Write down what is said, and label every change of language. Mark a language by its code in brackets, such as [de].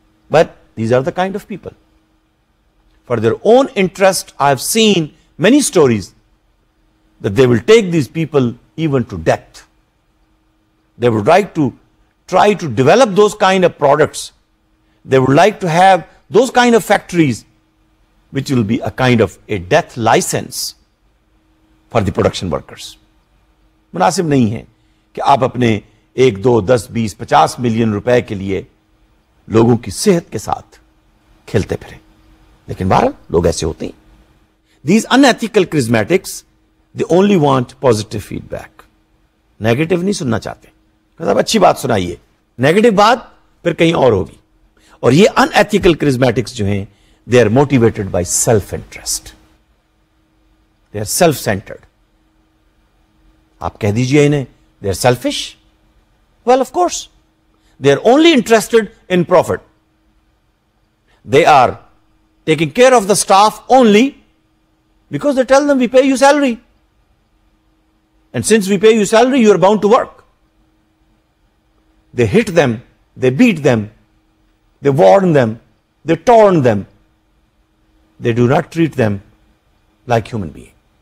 [en] But these are the kind of people. For their own interest, I have seen many stories that they will take these people even to death. They would like to try to develop those kind of products. They would like to have those kind of factories, which will be a kind of a death license for the production workers. [ur] مناسب نہیں ہے کہ آپ اپنے ایک دو دس بیس پچاس million روپے کے لیے لوگوں کی صحت کے ساتھ کھیلتے پھریں, لیکن بہرحال لوگ ایسے ہوتے ہیں. [en] these unethical charismatics they only want positive feedback, [ur] negative نہیں سننا چاہتے. آپ اچھی بات سنائیے, نیگیٹو بات پھر کہیں اور ہوگی. اور یہ انیتیکل کرزمیٹکس جو ہیں [en] They are motivated by self interest, they are self centred. [ur] آپ کہہ دیجئے انہیں [en] They are selfish. Well of course they are only interested in profit. They are taking care of the staff only Because they tell them, we pay you salary. And since we pay you salary, you are bound to work. They hit them, they beat them, they warn them, they taunt them. They do not treat them like human beings.